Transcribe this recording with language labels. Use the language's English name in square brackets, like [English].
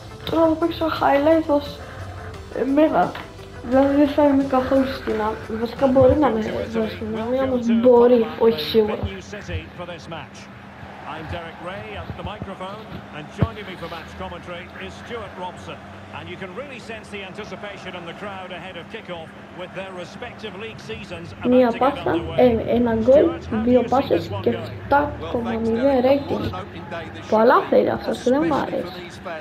[Greek] Τώρα θα παίξω highlight ως εμένα. Δηλαδή δεν θα είμαι καθόλου στενά. Βασικά μπορεί να είναι εδώ στενά. Όμως μπορεί, όχι σίγουρα. [English] I'm Derek Ray at the microphone, and joining me for match commentary is Stuart Robson. And you can really sense the anticipation in the crowd ahead of kickoff with their respective league seasons about to get underway. [Greek] Μία πάσα, ένα γκολ, δύο πάσες και 7,0 rating. Πολλά θέλει αυτό, δεν μ' αρέσει.